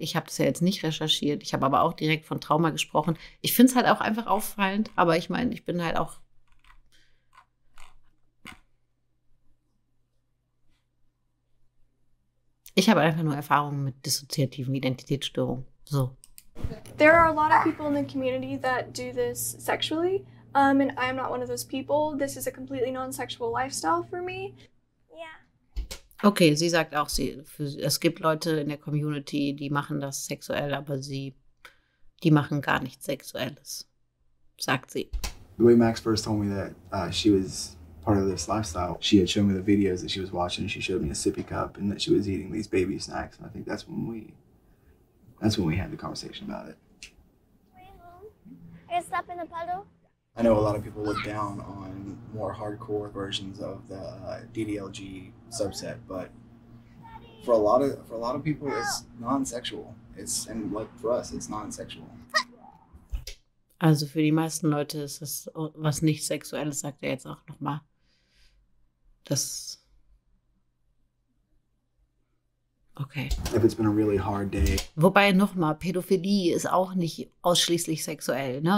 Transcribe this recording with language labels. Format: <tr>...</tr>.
<de>Ich habe das ja jetzt nicht recherchiert. Ich habe aber auch direkt von Trauma gesprochen. Ich finde es halt auch einfach auffallend. Aber ich meine, ich bin halt auch ich habe einfach nur Erfahrungen mit dissoziativen Identitätsstörungen. So.</de> <en>There are a lot of people in the community that do this sexually. And I am not one of those people. This is a completely non-sexual lifestyle for me.</en> <de>Okay, sie sagt auch, es gibt Leute in der Community, die machen das sexuell, aber die machen gar nichts Sexuelles, sagt sie.</de> <en>The way Max first told me that she was part of this lifestyle, she had shown me the videos that she was watching, and she showed me a sippy cup and that she was eating these baby snacks, and I think that's when we had the conversation about it. Are you stuck in the puddle? I know a lot of people look down on more hardcore versions of the DDLG subset, but for a lot of people, it's non-sexual. For us, it's non-sexual.</en> <de>Also für die meisten Leute ist das was nicht Sexuelles, sagt er jetzt auch nochmal. Das. Okay.</de> <en>If it's been a really hard day.</en> <de>Wobei nochmal, Pädophilie ist auch nicht ausschließlich sexuell. Ne?</de>